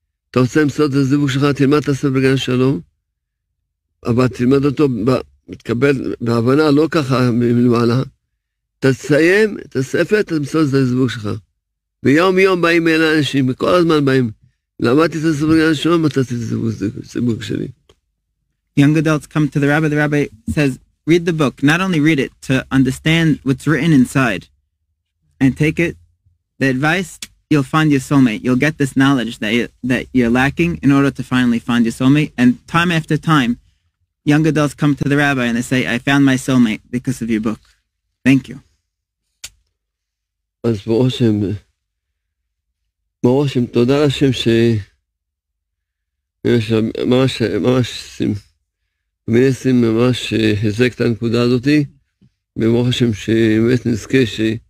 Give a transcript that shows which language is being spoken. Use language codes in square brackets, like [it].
[he] אתה רוצה למצוא את הזיווג שלך, תלמד את הספר בגן שלום, אבל תלמד אותו, תקבל בהבנה, לא ככה מלמעלה. תסיים את הספר, תמצוא את הזיווג שלך. ויום יום באים אל האנשים, כל הזמן באים. למדתי את הספר בגן שלום, מצאתי את הזיווג שלי. [en] Young adults come to the rabbi says, read the book, not only read it, to understand what's written inside, and take it, the advice, you'll find your soulmate. You'll get this knowledge that you're lacking in order to finally find your soulmate. And time after time, young adults come to the rabbi and they say, I found my soulmate because of your book. Thank you. [he] אז ברוך השם, ברוך השם, תודה לשם ש... ממש, ממש, ממש, ממש, הזק את הנקודה הזאת, וברוך השם שבאמת נזכה ש...